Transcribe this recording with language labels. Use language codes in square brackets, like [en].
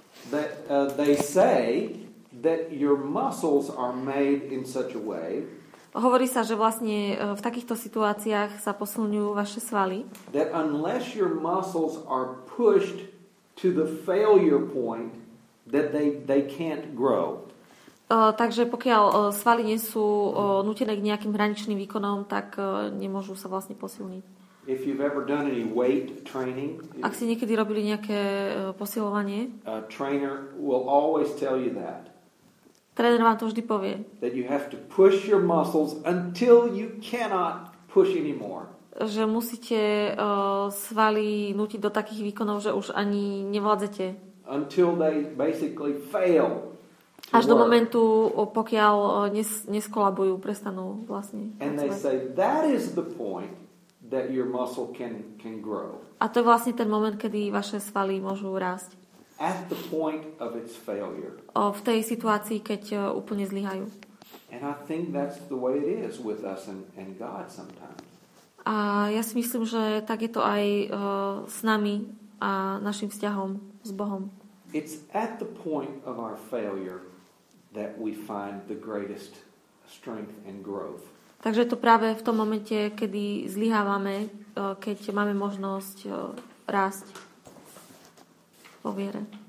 [en] That they say that your muscles are made in such a way. [sk] Hovorí sa, že vlastne v takýchto situáciách sa posilňujú vaše svaly. [en] That unless your muscles are pushed to the failure point, that they can't grow. [sk] Takže pokiaľ svaly nie sú nútené k nejakým hraničným výkonom, tak nemôžu sa vlastne posilniť. [en] If you've ever done any weight training, [sk] ak ste niekedy robili nejaké posilovanie, [en] a trainer will always tell you that. [sk] Tréner vám to vždy povie. [en] That you have to push your muscles until you cannot push anymore. [sk] Že musíte svaly nútiť do takých výkonov, že už ani nevládzete. [en] Until they basically fail. [sk] Až do momentu, pokiaľ neskolabujú, prestanú vlastne. [en] And they say that is the point that your muscle can grow. [sk] A to je vlastne ten moment, kedy vaše svaly môžu rásť. [en] At the point of its failure. [sk] V tej situácii, keď úplne zlyhajú. [en] And I think that's the way it is with us and God sometimes. [sk] A ja si myslím, že tak je to aj s nami a našim vzťahom s Bohom. [en] It's at the point of our failure that we find the greatest strength and growth. [sk] Takže to práve v tom momente, kedy zlyhávame, keď máme možnosť rásť vo viere.